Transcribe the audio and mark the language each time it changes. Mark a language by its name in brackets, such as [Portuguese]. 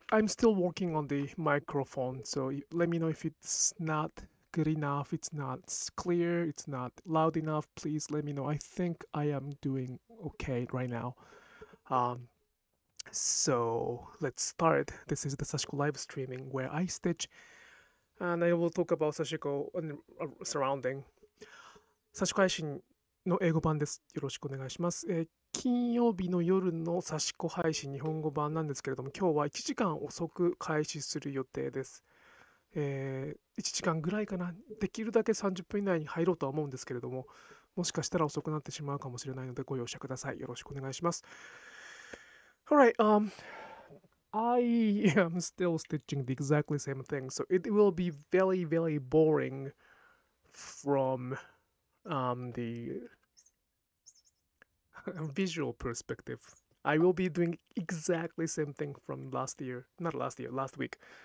[English] I'm still working on the microphone, so let me know if it's not good enough, it's not clear, it's not loud enough, please let me know. I think I am doing okay right now. So let's start. This is the Sashiko Live Streaming, where I stitch and I will talk about Sashiko and surrounding. [Japanese] Sashiko 配信の英語版です。よろしくお願いします。金曜日の夜のサシコ配信日本語版なんですけれども、今日は1時間遅く開始する予定です。 1時間ぐらいかな、できるだけ30分以内に入ろうとは思うんですけれども、もしかしたら遅くなってしまうかもしれないのでご容赦ください。よろしくお願いします。 [English] Alright, I am still stitching the exactly same thing, so it will be very very boring from the visual perspective. I will be doing exactly same thing from last week.